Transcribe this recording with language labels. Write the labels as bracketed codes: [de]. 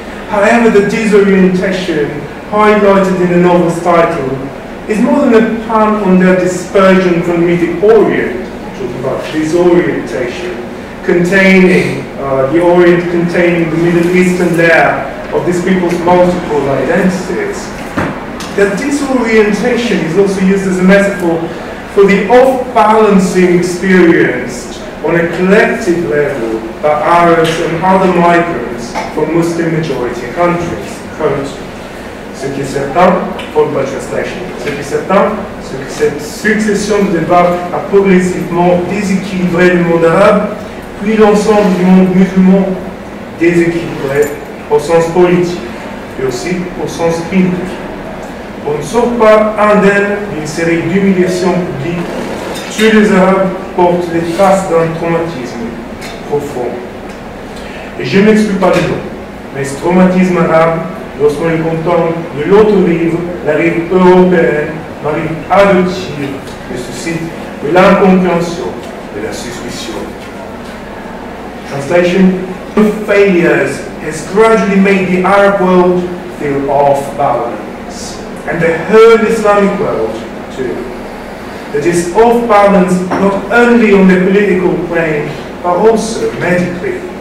[en] However, the disorientation, highlighted in the novel's title, is more than a pun on their dispersion from the mythic Orient, talking about disorientation, containing the Orient containing the Middle Eastern layer of this people's multiple identities. Their disorientation is also used as a metaphor for the off-balancing experienced on a collective level by Arabs and other migrants from Muslim-majority countries. Quote, [fr] ce qui est certain, [en] followed by translation, [fr] ce qui est certain, c'est que cette succession de débats a progressivement déséquilibré le monde arabe, puis l'ensemble du monde musulman déséquilibré au sens politique et aussi au sens public. On ne sort pas indemne d'une série d'humiliations publiques. Tuer les Arabes porte les traces d'un traumatisme profond. Et je ne m'exclus pas du tout, mais ce traumatisme arabe, lorsqu'on le contemple de l'autre rive, la rive européenne, la rive adoptive, et suscite de l'incompréhension et la suspicion. [en] Translation. The failures has gradually made the Arab world feel off balance. And the whole Islamic world, too. It is off balance not only on the political plane, but also medically.